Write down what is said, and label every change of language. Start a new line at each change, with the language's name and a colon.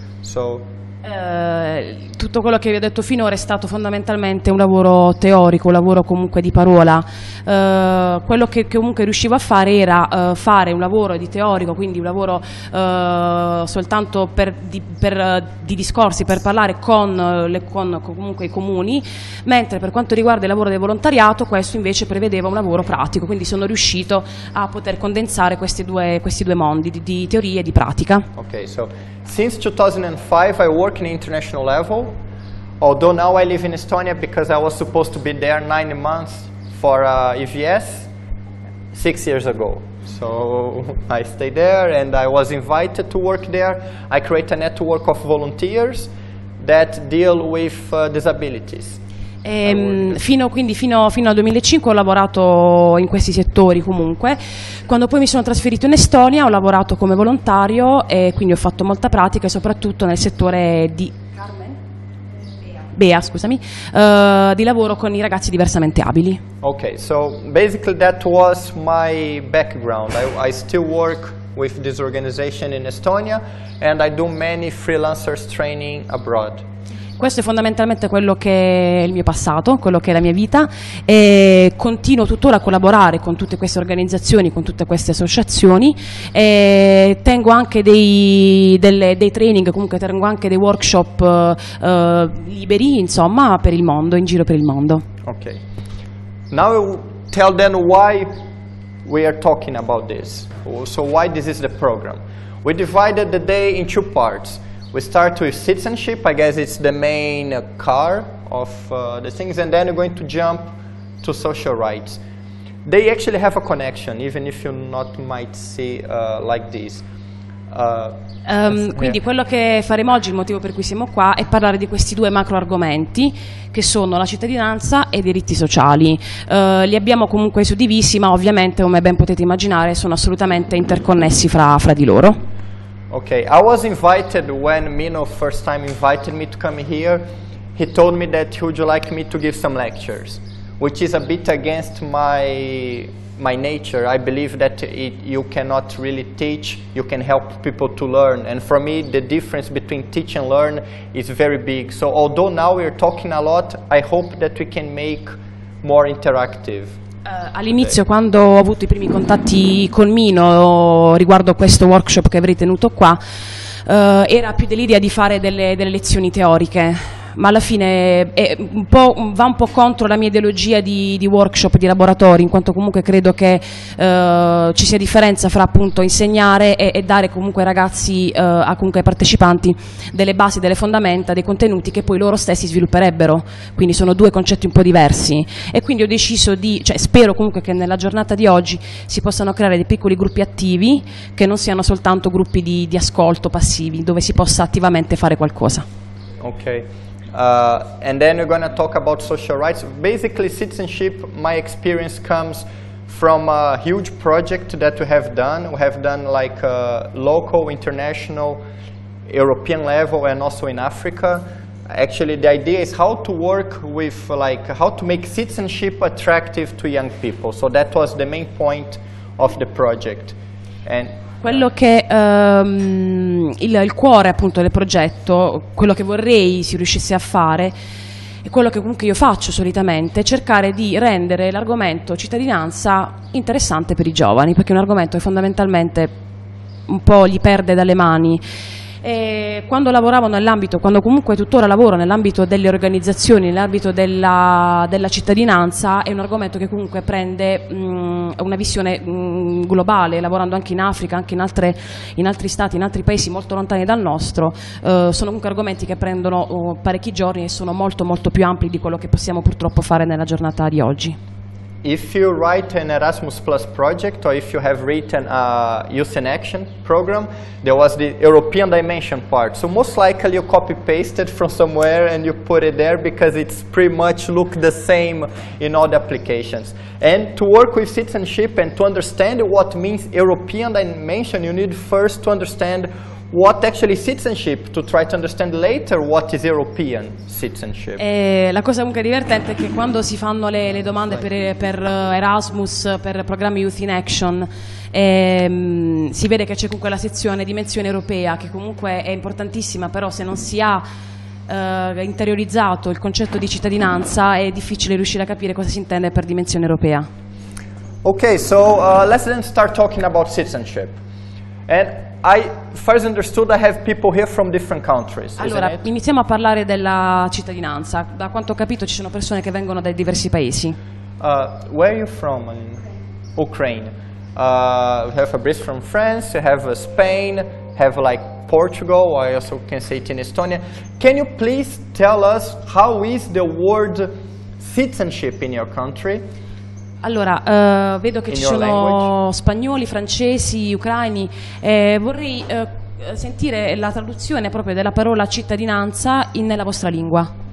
English: So
Italian: tutto quello che vi ho detto finora è stato fondamentalmente un lavoro teorico, un lavoro comunque di parola. Quello che comunque riuscivo a fare era fare un lavoro di teorico, quindi un lavoro soltanto di discorsi, per parlare con comunque i comuni, mentre per quanto riguarda il lavoro del volontariato, questo invece prevedeva un lavoro pratico, quindi sono riuscito a poter condensare questi due mondi di teoria e di pratica.
English: Okay, so since 2005 I work in international level, although now I live in Estonia because I was supposed to be there 9 months for EVS 6 years ago. So I stayed there and I was invited to work there. I create a network of volunteers that deal with disabilities.
Italian: Fino al 2005 ho lavorato in questi settori comunque. Quando poi mi sono trasferito in Estonia ho lavorato come volontario e quindi ho fatto molta pratica soprattutto nel settore di di lavoro con i ragazzi diversamente abili.
English: Ok, so basically that was my background. I still work with this organization in Estonia and I do many freelancers training abroad.
Italian: Questo è fondamentalmente quello che è il mio passato, quello che è la mia vita, e continuo tuttora a collaborare con tutte queste organizzazioni, con tutte queste associazioni, e tengo anche dei training, comunque tengo anche dei workshop liberi, insomma, per il mondo, in giro per il mondo.
English: Ok. Now tell them why we are talking about this. So why this is the program. We divided the day in 2 parts. We start with citizenship, I guess it's the main car of the things, and then we're going to jump to social rights. They actually have a connection, even if you not might see like this.
Italian: Quindi quello che faremo oggi, il motivo per cui siamo qua, è parlare di questi due macro argomenti che sono la cittadinanza e i diritti sociali. Li abbiamo comunque suddivisi, ma ovviamente, come ben potete immaginare, sono assolutamente interconnessi fra di loro.
English: Okay, I was invited when Mino first time invited me to come here. He told me that he would like me to give some lectures, which is a bit against my my nature. I believe that it, you cannot really teach, you can help people to learn. And for me, the difference between teach and learn is very big. So although now we're talking a lot, I hope that we can make more interactive.
Italian: All'inizio, quando ho avuto i primi contatti con Mino riguardo questo workshop che avrei tenuto qua, era più dell'idea di fare delle lezioni teoriche, ma alla fine va un po' contro la mia ideologia di workshop, di laboratori, in quanto comunque credo che ci sia differenza fra appunto insegnare e dare comunque ai ragazzi, ai partecipanti, delle basi, delle fondamenta, dei contenuti che poi loro stessi svilupperebbero, quindi sono due concetti un po' diversi. E quindi ho deciso spero comunque che nella giornata di oggi si possano creare dei piccoli gruppi attivi che non siano soltanto gruppi di ascolto passivi, dove si possa attivamente fare qualcosa.
English: Ok. And then we're going to talk about social rights. Basically, citizenship, my experience comes from a huge project that we have done. We have done like a local, international, European level, and also in Africa. Actually, the idea is how to work with, like, how to make citizenship attractive to young people. So that was the main point of the project. And
Italian: quello che il cuore appunto del progetto, quello che vorrei si riuscisse a fare, e quello che comunque io faccio solitamente, è cercare di rendere l'argomento cittadinanza interessante per i giovani, perché è un argomento che fondamentalmente un po' gli perde dalle mani. E quando lavoravo nell'ambito, quando comunque tuttora lavoro nell'ambito delle organizzazioni, nell'ambito della cittadinanza, è un argomento che comunque prende una visione globale, lavorando anche in Africa, anche in altri stati, in altri paesi molto lontani dal nostro, sono comunque argomenti che prendono parecchi giorni e sono molto molto più ampi di quello che possiamo purtroppo fare nella giornata di oggi.
English: If you write an Erasmus Plus project, or if you have written a Youth in Action program, there was the European dimension part. So most likely you copy-pasted from somewhere and you put it there because it's pretty much look the same in all the applications. And to work with citizenship and to understand what means European dimension, you need first to understand what actually citizenship, to try to understand later what is European citizenship.
Italian: La cosa comunque divertente è che quando si fanno le domande per Erasmus, per programmi Youth in Action, si vede che c'è comunque la sezione dimensione europea, che comunque è importantissima, però se non si ha interiorizzato il concetto di cittadinanza è difficile riuscire a capire cosa si intende per dimensione europea.
English: Ok, so let's then start talking about citizenship. And I first understood I have people here from different countries.
Italian: Allora, iniziamo a parlare della cittadinanza. Da quanto ho capito ci sono persone che vengono dai diversi paesi.
English: Where are you from? Ukraine. We have Fabrice from France, you have Spain, have like Portugal, I also can say it in Estonia. Can you please tell us how is the word citizenship in your country?
Italian: Allora, vedo che ci sono spagnoli, francesi, ucraini. Vorrei sentire la traduzione proprio della parola cittadinanza nella vostra lingua.